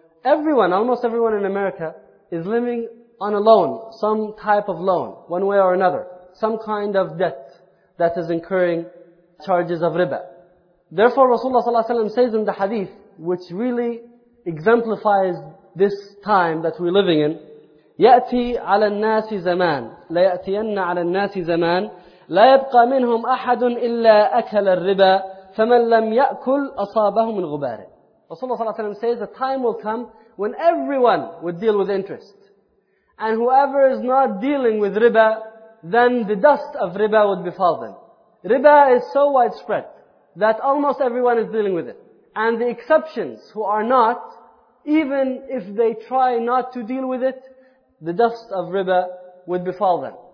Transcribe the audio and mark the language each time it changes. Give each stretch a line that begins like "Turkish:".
English: Everyone, almost everyone in America is living on a loan, some type of loan, one way or another. Some kind of debt that is incurring charges of riba. Therefore, Rasulullah sallallahu alaihi wasallam says in the hadith, which really exemplifies this time that we're living in,
Arabic: يَأْتِي عَلَى النَّاسِ زَمَانٍ لَيَأْتِيَنَّ عَلَى النَّاسِ زَمَانٍ لَا يَبْقَى مِنْهُمْ أَحَدٌ إِلَّا أَكَلَ الرِّبَى فَمَنْ لَمْ يَأْكُلْ أَصَابَهُ مِنْ غُبَارِ.
English: Rasulullah ﷺ says, a time will come when everyone would deal with interest. And whoever is not dealing with riba, then the dust of riba would befall them. Riba is so widespread that almost everyone is dealing with it. And the exceptions who are not, even if they try not to deal with it, the dust of riba would befall them.